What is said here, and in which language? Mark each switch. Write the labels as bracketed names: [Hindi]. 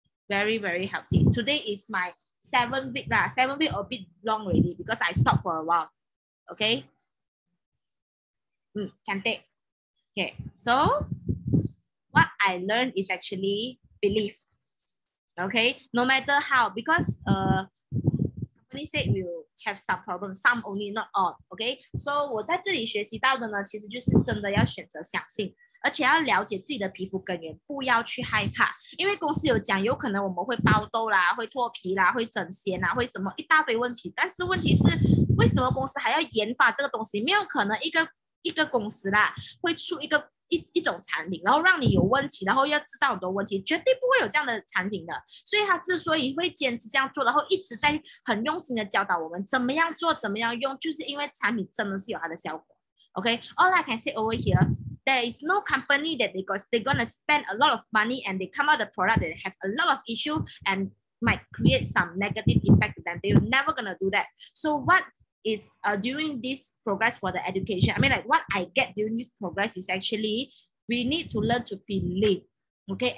[English] Very, very healthy. Today is my 7 week, lah, 7 week a bit long already, because I stopped for a while. Okay? [Chinese] 讲得. [English] Okay, so, what I learned is actually belief. Okay? No matter how, because, said we'll have some problems, some only, not all. [Chinese] Okay, so 我在这里学习到的呢, 其实就是真的要选择相信, 而且要了解自己的皮肤根源, 不要去害怕, 因为公司有讲, 有可能我们会包痘啦, 会脱皮啦, 会整鲜啦, 会什么, 一大堆问题, 但是问题是, 为什么公司还要研发这个东西, 没有可能一个公司啦, 会出一个, 一种产品, 然后让你有问题, 然后要知道很多问题, 绝对不会有这样的产品的, 所以他之所以会坚持这样做, 然后一直在很用心的教导我们, 怎么样做, 怎么样用, 就是因为产品真的是有它的效果, okay? [English] All I can say over here, there is no company that they're gonna spend a lot of money and they come out the product that have a lot of issue and might create some negative impact to them. They're never gonna do that. So what it's during this progress for the education. I mean, like what I get during this progress is actually we need to learn to believe, okay?